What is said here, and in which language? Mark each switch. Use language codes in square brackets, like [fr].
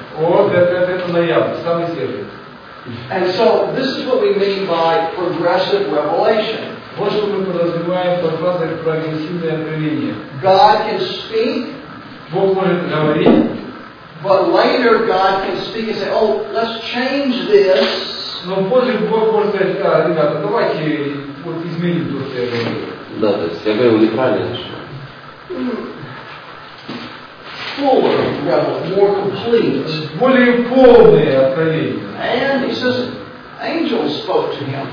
[ru] Вот это ноябрь, самый свежий. [en] And so this is what we mean by progressive revelation. [ru] Вот что мы подразумеваем под фразой прогрессивное откровение. [en] God can speak. [ru] Бог может говорить. [en] But later God can speak and say, oh, let's change this. [ru] Но позже Бог может сказать, а, ребята, давайте вот изменим то, что я говорю. Да, то есть я говорю неправильно. [en] Fuller revelation, more complete. [ru] Более полное откровение. [en] And he says, angels spoke to him.